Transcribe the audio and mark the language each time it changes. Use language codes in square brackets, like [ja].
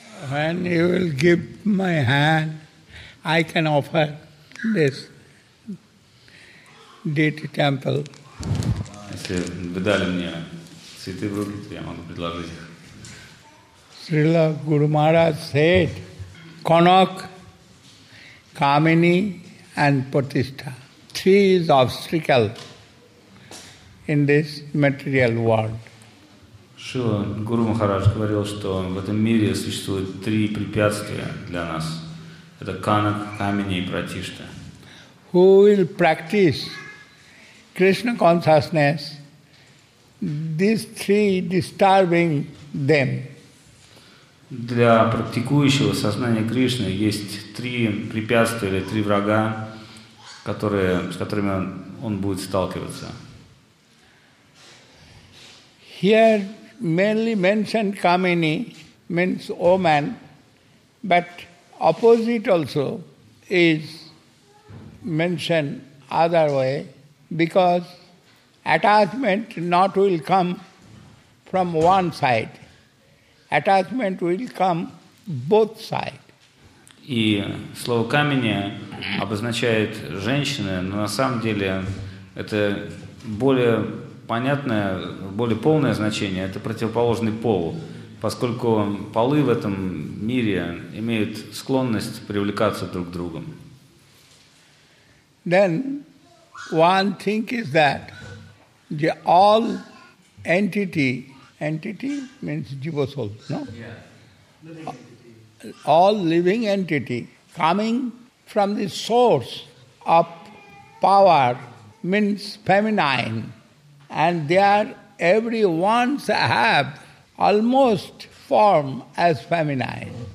[en] when you will give my hand, I can offer this deity temple. [ru] Если вы дали мне цветы в руки, то я могу предложить их. [en] Srila Guru Maharaj said, Konak, Kamini and Pratishtha. Three is obstacle in this material world. [ru] Srila Guru Maharaj говорил, что в этом мире существует три препятствия для нас. Это Konak, Kamini и Pratishtha. [en] Who will practice Krishna consciousness, these three disturbing them. [ru] Для практикующего сознания Кришны есть три препятствия или три врага, с которыми он будет сталкиваться. [en] Here mainly mentioned Kamini means woman, but opposite also is mentioned other way because attachment not will come from one side. Attachment will come both sides. [ru] И слово камень обозначает женщины, но на самом деле это более понятное, более полное значение, это противоположный пол, поскольку полы в этом мире имеют склонность привлекаться друг к другу. [en] Then one thing is that the all entity. Entity means jiva soul, no? Yeah. All living entity coming from the source of power means feminine, and there every once have almost form as feminine.